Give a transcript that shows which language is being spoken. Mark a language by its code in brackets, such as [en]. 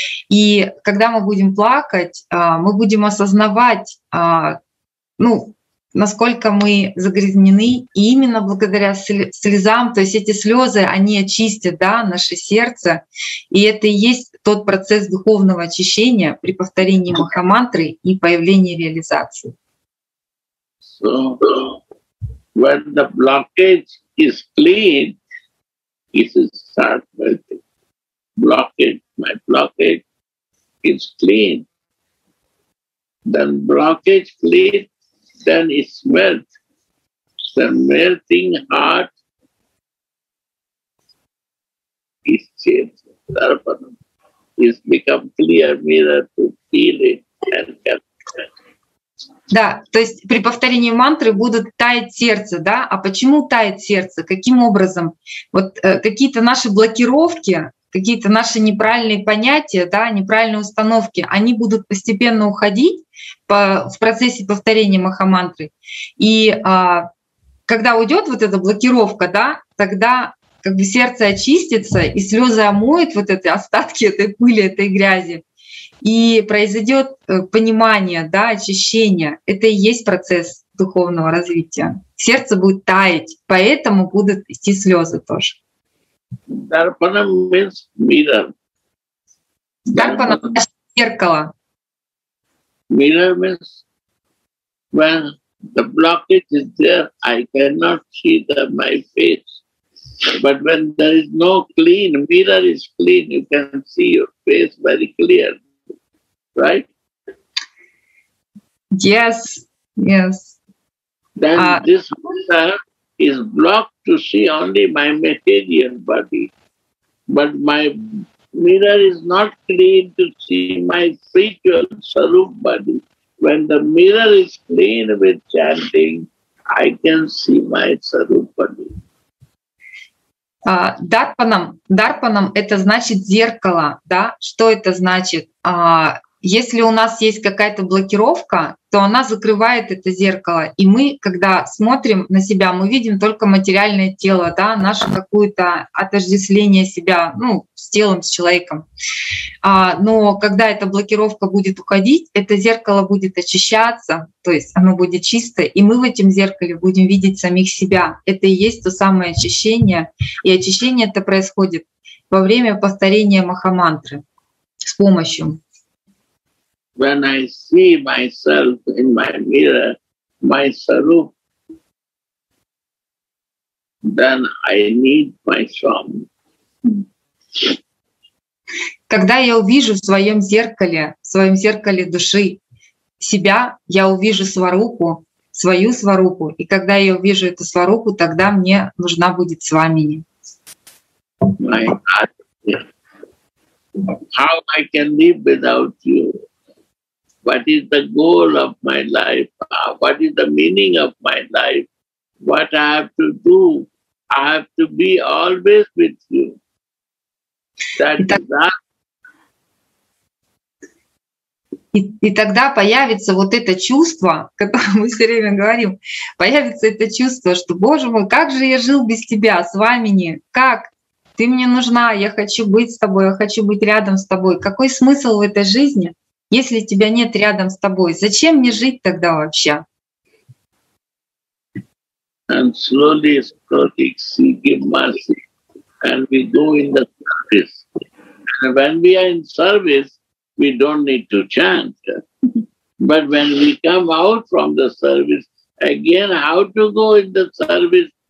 [ru] И когда мы будем плакать, мы будем осознавать, ну, насколько мы загрязнены именно благодаря слезам. То есть эти слезы, они очистят, да, наше сердце. И это и есть тот процесс духовного очищения при повторении махамантры и появлении реализации. [en] So, when the blockage is cleaned, it is start melting. Blockage, my blockage is clean. Then blockage clean, then it's melt. The melting heart is changed. It's become clear mirror to feel it and get it. [ru] Да, то есть при повторении мантры будет таять сердце, да? А почему тает сердце? Каким образом? Вот какие-то наши блокировки, какие-то наши неправильные понятия, да, неправильные установки, они будут постепенно уходить в процессе повторения махамантры. И когда уйдет вот эта блокировка, да, тогда как бы сердце очистится, и слезы омоют вот эти остатки этой пыли, этой грязи. И произойдет понимание, да, очищение. Это и есть процесс духовного развития. Сердце будет таять, поэтому будут идти слезы тоже. [en] Дарпанам means mirror. [ru] Дарпанам — это зеркало. [en] Mirror means when the blockage is there, I cannot see the, my face. But when there is no clean, mirror is clean, you can see your face very clear. Right? Yes, yes. Then this mirror is blocked to see only my material body. But my mirror is not clean to see my spiritual sarup body. When the mirror is clean with chanting, I can see my sarup body. [ru] Дарпанам это значит зеркало, да? Что это значит? Если у нас есть какая-то блокировка, то она закрывает это зеркало. И мы, когда смотрим на себя, мы видим только материальное тело, да, наше какое-то отождествление себя, ну, с телом, с человеком. Но когда эта блокировка будет уходить, это зеркало будет очищаться, то есть оно будет чистое, и мы в этом зеркале будем видеть самих себя. Это и есть то самое очищение. И очищение это происходит во время повторения махамантры с помощью. [en] When I see myself in my mirror, my sarup, then I need my swami. [ru] Когда я увижу в своем зеркале души себя, я увижу сваруху, свою сваруху, и когда я увижу эту сваруху, тогда мне нужна будет свамини. [en] My heart. How I can live without you? What is the goal of my life? What is the meaning of my life? What I have to do? I have to be always with you. [ru] И тогда появится вот это чувство, о котором мы все время говорим, появится это чувство, что, Боже мой, как же я жил без тебя, с вами не, как? Ты мне нужна, я хочу быть с тобой, я хочу быть рядом с тобой. Какой смысл в этой жизни? Если тебя нет рядом с тобой, зачем мне жить тогда вообще? [en] And slowly, slowly, give mercy, and we go in the service. And when we are in service, we don't need to chant. But when we come out from the service, again, how to go in the service?